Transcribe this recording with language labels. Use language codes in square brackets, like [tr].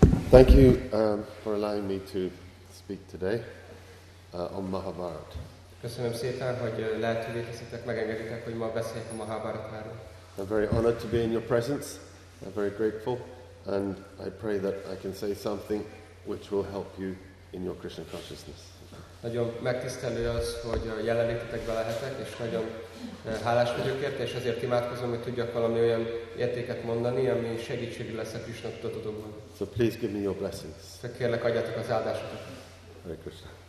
[en] Thank you for allowing me to speak today. On Mahabharata. [hu] Köszönöm szépen, hogy lehetővé teszitek, megengeditek, hogy ma beszéljek a Mahabharatáról. [en] I'm very honored to be in your presence. I'm very grateful, and I pray that I can say something which will help you in your Krishna consciousness. [hu] Nagyon megtisztelő az, hogy jelenlétetekbe lehetek, és nagyon hálás vagyok érte, és azért imádkozom, hogy tudjak valami olyan értéket mondani, ami segítségű lesz a Krishna tudatodban. [en] So please give me your blessings. [hu] Kérlek, adjátok az áldásokat. [sa] Hare Krishna.